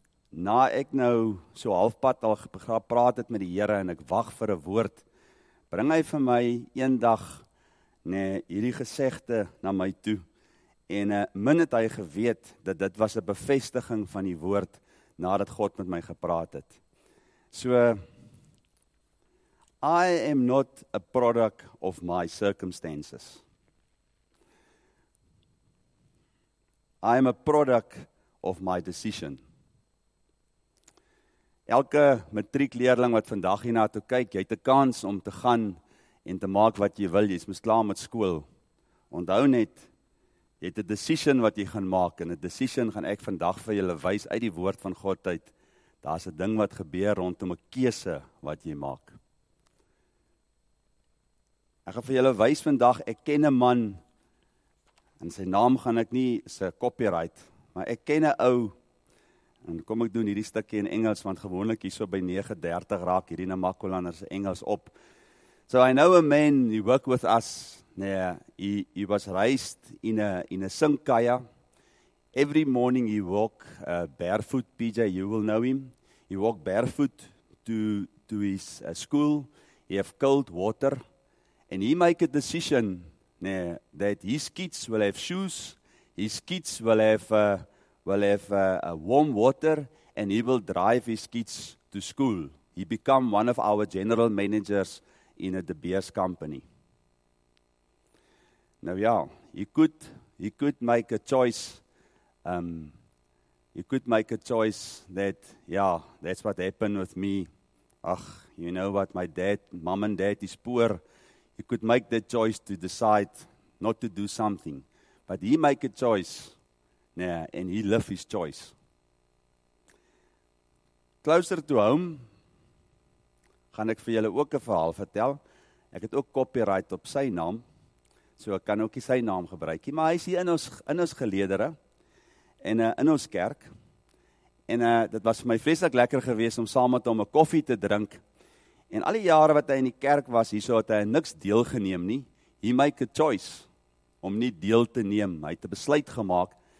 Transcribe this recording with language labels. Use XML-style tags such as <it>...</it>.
<af>Na ek nou so halfpad al gepraat het met die Here en ek wag vir 'n woord, bring hy vir my eendag hierdie gesegde na my toe. En min het hy geweet dat dit was 'n bevestiging van die woord nadat God met my gepraat het.</af> <en>So, I am not a product of my circumstances. I am a product of my decision.</en> <af>Elke matriekleerling wat vandag hierna toe kyk, jy het 'n kans om te gaan en te maak wat jy wil. Jy's mos klaar met skool. Onthou net, jy het 'n decision wat jy gaan maak en 'n decision gaan ek vandag vir julle wys uit die woord van God uit. Daar's 'n ding wat gebeur rondom 'n keuse wat jy maak. Ek gaan vir julle wys vandag, ek ken 'n man en sy naam gaan ek nie se copyright, maar ek ken 'n ou en kom ek doen hierdie stukkie in Engels want gewoonlik hierso by 9:30 raak hierdie Namakolanders Engels op.</af> <en>So I know a man who worked with us. He was raised in a sinkaya. Every morning he walked barefoot. PJ, you will know him. He walked barefoot to his school. He have cold water and he make a decision that his kids will have shoes. His kids will have warm water and he will drive his kids to school. He become one of our general managers in a De Beers company. Now yeah, he could make a choice. He could make a choice that yeah, that's what happened with me. Ach, you know what, my dad, mom and dad is poor. He could make the choice to decide not to do something. But he make a choice, and he live his choice. Closer to home,</en> <af>gaan ek vir julle ook 'n verhaal vertel. Ek het ook copyright op sy naam, so ek kan ook nie sy naam gebruik nie, maar hy is hier in ons geledere, en in ons kerk, en dit was vir my vreeslik lekker geweest om saam met hom 'n koffie te drink, en al die jare wat hy in die kerk was, hierso het hy niks deelgeneem nie,</af> <en>he make a choice,</en> <af>om nie deel te neem, hy het 'n besluit gemaak</af>